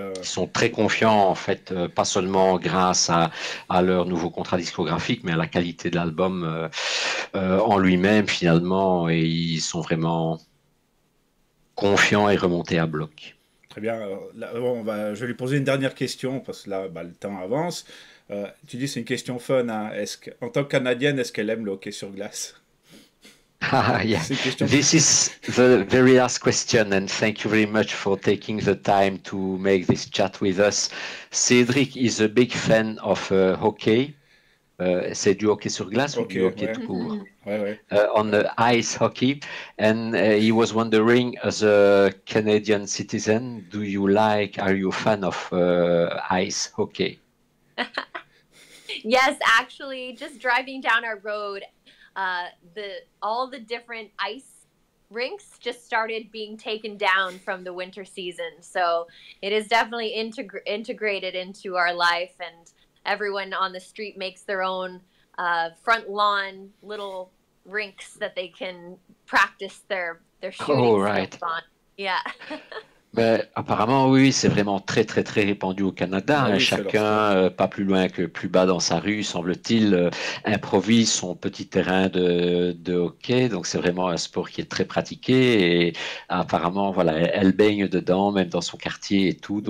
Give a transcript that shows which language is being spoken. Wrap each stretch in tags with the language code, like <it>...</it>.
<fr>Ils sont très confiants, en fait, pas seulement grâce à leur nouveau contrat discographique, mais à la qualité de l'album en lui-même, finalement, et ils sont vraiment confiants et remontés à bloc. Très bien. Alors, là, on va, je vais lui poser une dernière question parce que là, le temps avance. Tu dis c'est une question fun, hein. Est-ce qu'en tant que Canadienne, est-ce qu'elle aime le hockey sur glace?</fr> <en>Yeah,</en> <fr>C'est une question.</fr> <en>this is the very last question, and thank you very much for taking the time to make this chat with us. Cédric is a big fan of hockey.</en> <fr>C'est du hockey sur glace ou Ok, du hockey tout court? ouais.</fr> <en>On the ice hockey, and he was wondering, as a Canadian citizen, do you like, are you a fan of ice hockey? Yes, actually, just driving down our road, all the different ice rinks just started being taken down from the winter season. So it is definitely integrated into our life, and everyone on the street makes their own front lawn little rinks that they can practice their shooting stuff right. on. Yeah.</en> <fr>Mais apparemment, oui, c'est vraiment très, très, très répandu au Canada. Ah, oui, chacun, pas plus loin que plus bas dans sa rue, semble-t-il, improvise son petit terrain de hockey. Donc, c'est vraiment un sport qui est très pratiqué. Et apparemment, voilà, elle baigne dedans, même dans son quartier et tout.</fr>